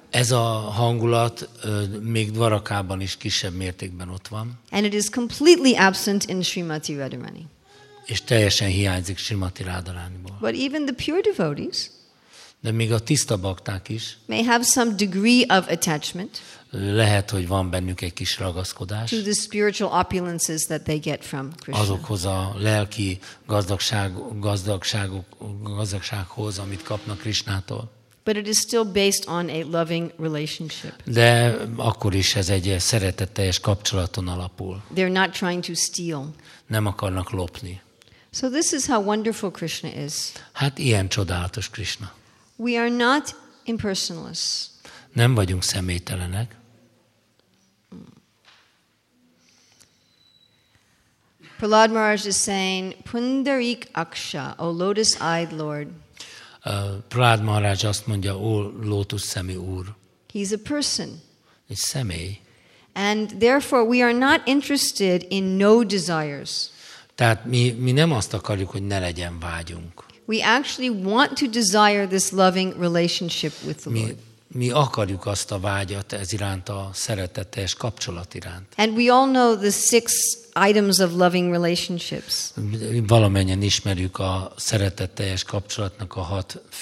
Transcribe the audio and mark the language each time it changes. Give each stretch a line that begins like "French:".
Hungarian: Ez a hangulat még Dwarakában is kisebb mértékben ott van.
English: And it is completely absent in Srimati Radharani.
Hungarian: És teljesen hiányzik Srimati Radharaniból.
English: But even the pure devotees,
Hungarian: de még a tiszta bakták is,
English: may have some degree of attachment.
Hungarian: Lehet, hogy van bennük egy kis ragaszkodás.
English: To the spiritual opulences that they get from Krishna.
Hungarian: Azokhoz a lelki gazdagsághoz, amit kapnak Krishnától.
English: But it is still based on a loving relationship.
Hungarian: De akkor is ez egy szeretetteljes kapcsolaton alapul.
English: They're not trying to steal.
Hungarian: Nem akarnak lopni.
English: So this is how wonderful Krishna is.
Hungarian: Hát ilyen csodálatos Krishna.
English: We are not impersonalists.
Hungarian: Nem vagyunk személytelenek.
English: Prahlad Maharaj is saying, Pundarik Aksha, O Lotus-Eyed Lord.
Hungarian: Prahlad Maharaj azt mondja, O Lotus-Szemű Úr.
English: He's a person.
Hungarian: Egy személy.
English: And therefore we are not interested in no desires.
Hungarian: Tehát mi nem azt akarjuk, hogy ne legyen vágyunk.
English: We actually want to desire this loving relationship with the Lord.
Hungarian: Mi akarjuk azt a vágyat ez iránt, a szeretetteljes kapcsolat iránt.
English: And we all know the six items of loving relationships.
Hungarian: Valamennyien ismerjük a szeretetteljes kapcsolatnak a hat